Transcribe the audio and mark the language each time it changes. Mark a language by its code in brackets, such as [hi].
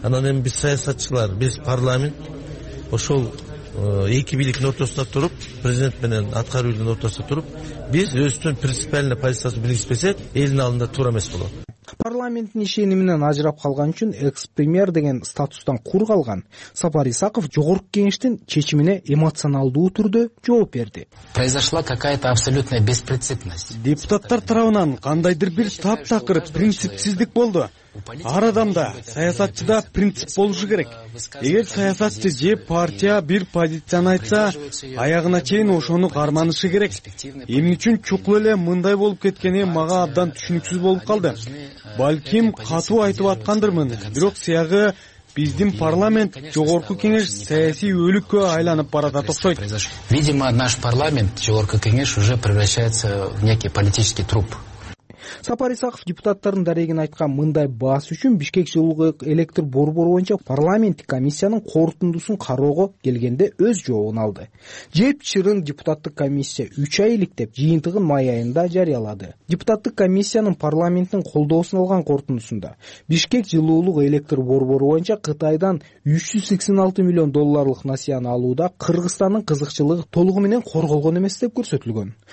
[ky] Анан эми биз саясатчылар, биз парламент ошол эки бийликтин ортосунда туруп, президент менен аткаруу бийликтин ортосунда туруп, биз өзүбүздүн принципиальный позициясын билгизбесек элдин алдында туура эмес болот. парламенттин ишенимин ажырап калган үчүн экс-премьер деген статустан кур калган Сапар Исаков жогорку кеңештин чечимине эмоционалдуу түрдө жооп берди. [ru] Произошла какая-то абсолютная беспринципность. [ky] Депутаттар тарабынан кандайдыр бир таптакыр принципсиздик болду. Ар адамда, саясатчыда принцип болушу керек. Эгер саясатчы же партия бир позицияны айтса, аягына чейин ошону карманышы керек. Эмне үчүн чукул эле мындай болуп кеткени мага абдан түшүнүксүз болуп калды. Балким катуу айтып аткандырмын, бирок сыягы биздин парламент жогорку кеңеш саясий өлүккө айланып баратат окшойт. [ru] Видимо, наш парламент, жогорку кеңеш уже превращается в некий политический труп. [ky] Сапар Исаков депутаттардын дарегин айткан мындай баасы үчүн Бишкек жылуулук электр борбору боюнча парламенттик комиссиянын корутундусун кароого келгенде өз жообун алды. Жеп чырын депутаттык комиссия 3 ай иликтеп жыйынтыгын май айында жарыялады. Депутаттык комиссиянын парламенттин колдоосун алган корутундусунда Бишкек жылуулук электр борбору боюнча Кытайдан 386 миллион долларлык насияны алууда Кыргызстандын кызыкчылыгы толугу менен корголгон эмес деп көрсөтүлгөн.